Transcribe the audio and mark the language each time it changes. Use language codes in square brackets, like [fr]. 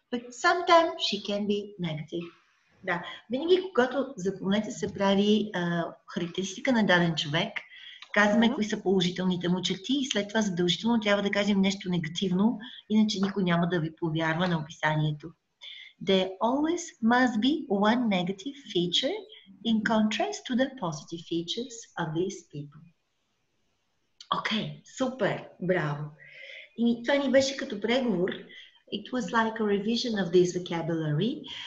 [en] But sometimes she can be negative. [bg] Да. Винаги, когато запомнете се прави характеристика на даден човек, Казваме кои са положителните му черти и след това задължително трябва да кажем нещо негативно, иначе никой няма да ви повярва на описанието. [en] There always must be one negative feature in contrast to the positive features of these people. [bg] Окей, супер, браво. И това ни беше като преговор. [en] It was like a revision of this vocabulary.